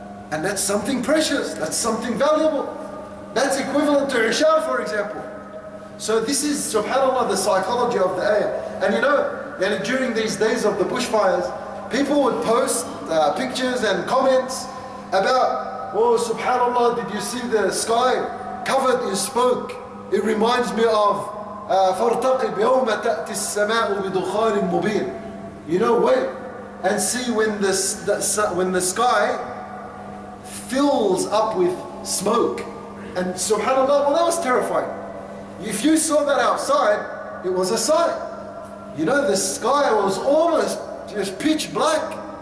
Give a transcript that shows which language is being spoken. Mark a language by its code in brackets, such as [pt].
[en] And that's something precious. That's something valuable. That's equivalent to Isha, for example. So this is, subhanAllah, the psychology of the ayah. And you know, and during these days of the bushfires, people would post pictures and comments about, oh, subhanAllah, did you see the sky covered in smoke? It reminds me of [ar] فَارْتَقِبْ يَوْمَ تَأْتِ السَّمَاءُ بِدُخَانٍ مُبِينٍ. [en] You know, wait and see when the sky fills up with smoke. And subhanAllah, well, that was terrifying. If you saw that outside, it was a sight. You know, the sky was almost just pitch black.